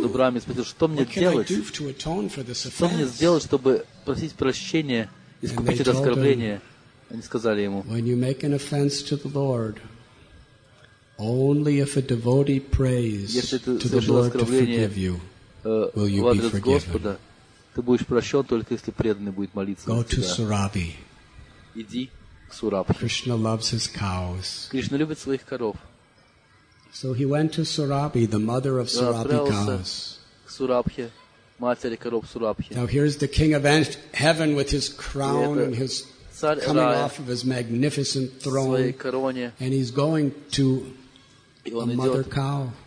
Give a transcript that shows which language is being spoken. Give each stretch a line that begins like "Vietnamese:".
English: What can I do to atone for this offense?
Russian: Что мне сделать, чтобы просить прощения, искупить это оскорбление? Они сказали ему:
English: When you make an offense to the Lord, only if a devotee prays to the Lord to forgive you, will you be forgiven.
Russian: Ты будешь прощен только если преданный будет молиться.
English: Go to Surabhi.
Russian: Иди к Сурабхи.
English: Krishna loves his cows.
Russian: Кришна любит своих коров.
English: So he went to Surabhi, the mother of Surabhi cows. Now here's the king of heaven with his crown and his coming off of his magnificent throne. And he's going to a mother cow.